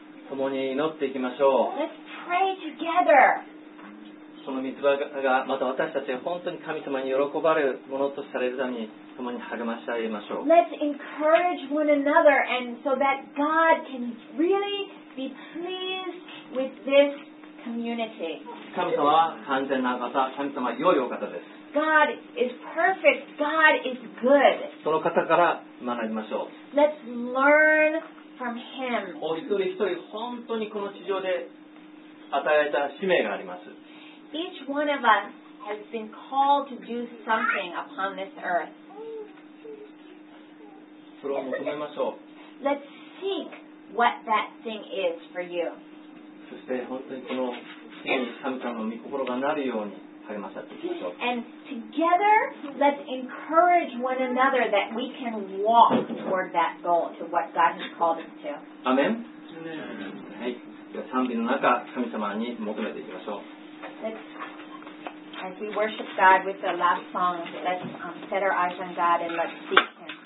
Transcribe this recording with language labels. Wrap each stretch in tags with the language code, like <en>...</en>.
<ja>共に祈っていきましょう。</ja> <en>Let's pray together.</en> <ja>その御言葉がまた私たちが本当に神様に喜ばれるものとされるために共に励まし合いましょう。</ja> <en>Let's encourage one another and so that God can really be pleased with this community.</en> <ja>神様は完全な方、神様は良いお方です。</ja> <en>God is perfect. God is good.</en> <ja>その方から学びましょう。</ja> <en>Let's learn. From him.</en> <ja>お一人一人本当にこの地上で与えられた使命があります。</ja> <en>Each one of us has been called to do something upon this earth.</en> <ja>それを求めましょう。</ja> <en>Let's seek what that thing is for you.</en> <ja>そして本当にこの神様の御心がなるように励まし合っていきましょう。</ja> <en>And together, let's encourage one another that we can walk toward that goal, to what God has called us to. Amen. はい。</en> <ja>では賛美の中、神様に求めていきましょう。</ja> <en>As we worship God with the last song, let's set our eyes on God and let's seek Him.</en>